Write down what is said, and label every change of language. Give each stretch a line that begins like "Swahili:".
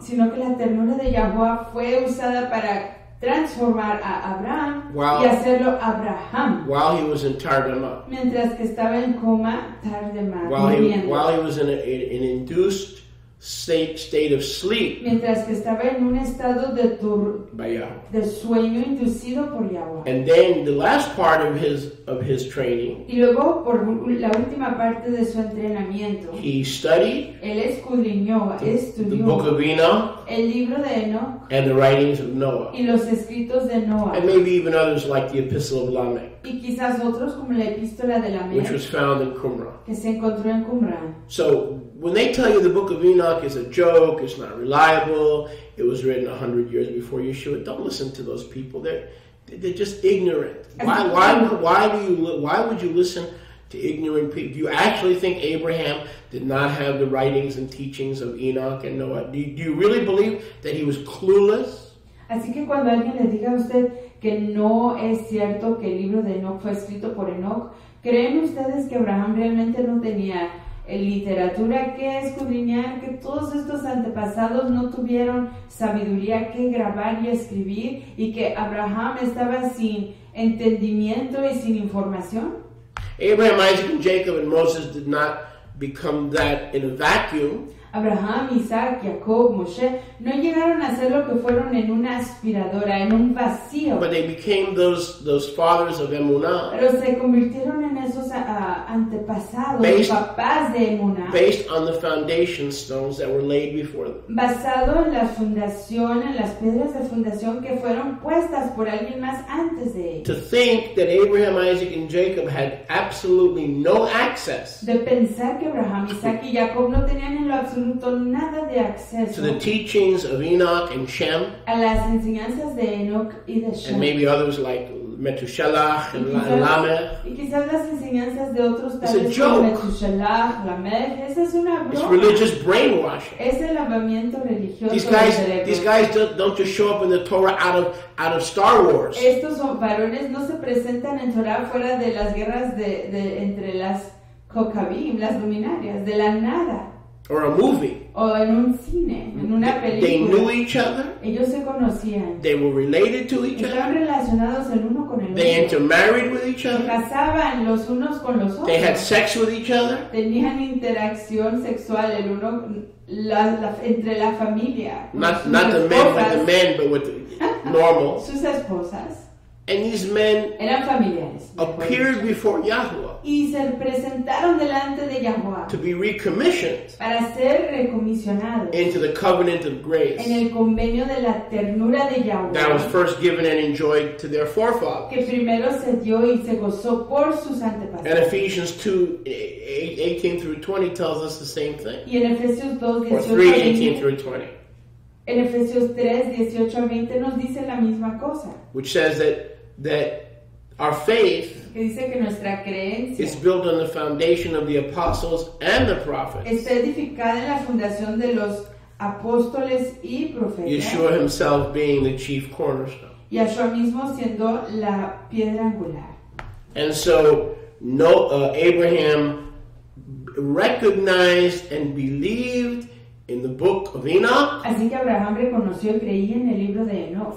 Spanish: Sino que la ternura de Yahuwah fue usada para transformar a Abraham y hacerlo Abraham.
English: While he was in Tardama.
Spanish: Mientras que estaba en coma, Tardama.
English: While he was in an induced state of sleep.
Spanish: Mientras que estaba en un estado de sueño inducido por Yahweh.
English: And then the last part of his training.
Spanish: Y luego por la última parte de su entrenamiento.
English: He studied.
Spanish: Él escudriñó, estudió.
English: The book of Enoch.
Spanish: El libro de Enoch.
English: And the writings of Noah.
Spanish: Y los escritos de Noah.
English: And maybe even others like the Epistle of Lamech.
Spanish: Y quizás otros como la epístola de Lamech.
English: Which was found in Qumran.
Spanish: Que se encontró en Qumran.
English: So when they tell you the book of Enoch is a joke, it's not reliable, it was written 100 years before Yeshua, don't listen to those people. They're just ignorant. Why would you listen to ignorant people? Do you actually think Abraham did not have the writings and teachings of Enoch and Noah? Do you really believe that he was clueless?
Spanish: Así que cuando alguien le diga a usted que no es cierto que el libro de Enoch fue escrito por Enoch, ¿creen ustedes que Abraham realmente no tenía literatura que escudriñar, que todos estos antepasados no tuvieron sabiduría que grabar y escribir, y que Abraham estaba sin entendimiento y sin información?
English: Abraham, Isaac, and Jacob and Moses did not become that in a vacuum.
Spanish: Abraham, Isaac, Jacob, Moshe no llegaron a ser lo que fueron en una aspiradora, en un vacío.
English: But they became those fathers of Emunah.
Spanish: Pero se convirtieron en esos antepasados, papás de Emunah.
English: Based on the foundation stones that were laid before them.
Spanish: Basado en la fundación, en las piedras de fundación que fueron puestas por alguien más antes de ellos.
English: To think that Abraham, Isaac, and Jacob had absolutely no access.
Spanish: De pensar que Abraham, Isaac, y Jacob no tenían en lo absoluto nada de acceso.
English: To the teachings of Enoch and Shem.
Spanish: A las enseñanzas de Enoch y de Shem.
English: And maybe others like Metushelah and Lamech.
Spanish: Y quizás las enseñanzas de otros tales.
English: It's a joke.
Spanish: Metushelah, Lamech. Esa es una broma.
English: It's religious brainwashing.
Spanish: Es el lavamiento religioso.
English: These guys don't just show up in the Torah out of Star Wars.
Spanish: Estos varones no se presentan en Torah fuera de las guerras de entre las Kokabim, las luminarias, de la nada.
English: Or a movie.
Spanish: O en un cine, en una película.
English: They knew each other.
Spanish: Ellos se conocían.
English: They were related to each
Spanish: Estaban Estaban relacionados el uno con el otro.
English: They intermarried with each other.
Spanish: Casaban los unos con los otros.
English: They had sex with each other.
Spanish: Tenían interacción sexual el uno entre la familia.
English: Not the men, but the men, but with the normal.
Spanish: Sus esposas.
English: And these men
Spanish: eran familiares,
English: appeared before Yahuwah,
Spanish: y se presentaron delante de Yahuwah
English: to be recommissioned,
Spanish: para ser recomisionados,
English: into the covenant of grace,
Spanish: en el convenio de la ternura de Yahuwah,
English: that was first given and enjoyed to their forefathers,
Spanish: que primero se dio y se gozó por sus antepasados.
English: And Ephesians 2, 18 through 20 tells us the same thing.
Spanish: Y en Efesios 2, 18,
English: or 3, 18 through 20.
Spanish: En Efesios 3, 18 a 20 nos dice la misma cosa.
English: Which says that our faith
Spanish: que dice que nuestra creencia
English: is built on the foundation of the apostles and the prophets.
Spanish: Está edificada en la fundación de los apóstoles y profetas.
English: Yeshua himself being the chief cornerstone.
Spanish: Yeshua mismo siendo la piedra angular.
English: And so Abraham recognized and believed in the book of Enoch.
Spanish: Así que Abraham reconoció y creía en el libro de Enoch.